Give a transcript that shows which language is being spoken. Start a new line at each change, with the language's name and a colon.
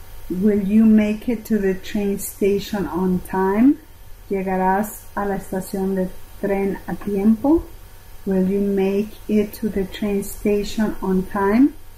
English: Will you make it to the train station on time?
Spanish: ¿Llegarás a la estación de tren a tiempo?
English: Will you make it to the train station on time?